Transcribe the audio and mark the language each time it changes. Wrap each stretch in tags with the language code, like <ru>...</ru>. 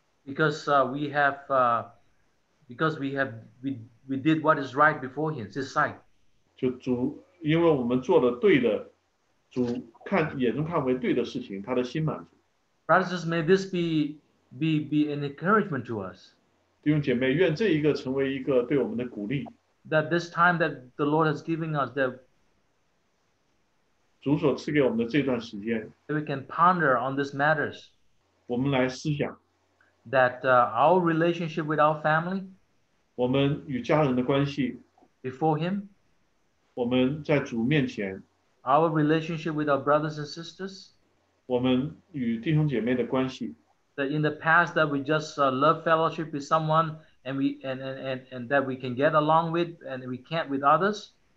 <en>Because we did what is right before him, his sight.</en> <zh>就主，因为我们做了对的，主看眼中看为对的事情，他的心满足。</zh> <en>Brothers, may this be an encouragement to us.</en> <zh>弟兄姐妹，愿这一个成为一个对我们的鼓励。</zh> <en>That this time that the Lord has given us, that</en> <zh>主所赐给我们的这段时间,</zh> <en>that we can ponder on these matters.</en> <zh>我们来思想,</zh> <en>that our relationship with our family,</en> <zh>我们与家人的关系,</zh> <en>before him,</en> <zh>我们在主面前,</zh> <en>our relationship with our brothers and sisters,</en> <zh>我们与弟兄姐妹的关系,</zh> <en>that in the past that we just love fellowship with someone, and that we can get along with and we can't with others.</en>